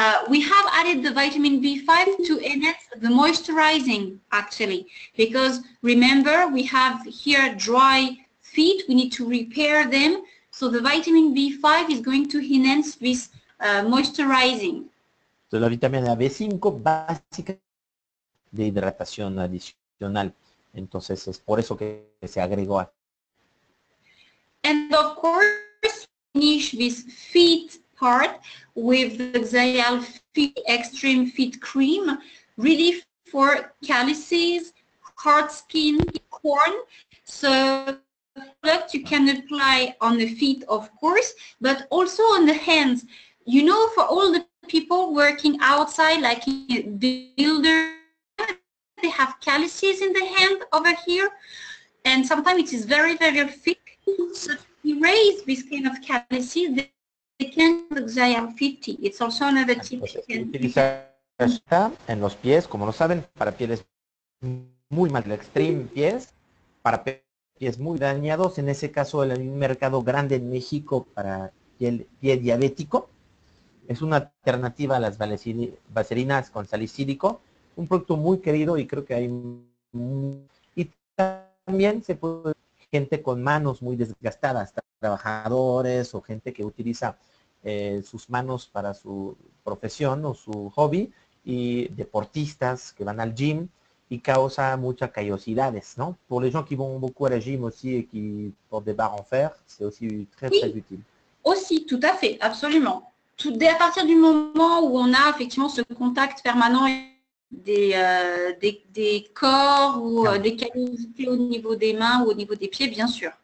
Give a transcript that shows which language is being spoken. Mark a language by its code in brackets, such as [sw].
[en] We have added the vitamin B5 to enhance the moisturizing, actually, because remember, we have here dry feet, we need to repair them, so the vitamin B5 is going to enhance this moisturizing. [es] So la vitamina B5 básica de hidratación adicional, entonces es por eso que se agregó. [en] And of course, finish this feet part with the Xarial Feet Extreme Feet Cream, really for calluses, hard skin, corn. So product you can apply on the feet, of course, but also on the hands. You know, for all the people working outside, like builders, they have calluses in the hand over here, and sometimes it is very, very thick. So to erase this kind of calluses, they can use Xarial 50. It's also another tip. [es] Utiliza en los pies, como lo saben, para pieles muy mal, extreme pies, para pies muy dañados. En ese caso, el mercado grande en México para el pie diabético es una alternativa a las vaselinas con salicílico, un producto muy querido y creo que hay y También se puede gente con manos muy desgastadas, trabajadores o gente que utiliza sus manos para su profesión o su hobby, y deportistas que van al gym y causa muchas callosidades, ¿no? [fr] Pour les gens qui vont beaucoup à la gym aussi et qui portent des barres en fer, c'est aussi très oui, très utile. Aussi, tout à fait, absolument. Tout dès à partir du moment où on a effectivement ce contact permanent des corps ou des callosités au niveau des mains ou au niveau des pieds, bien sûr.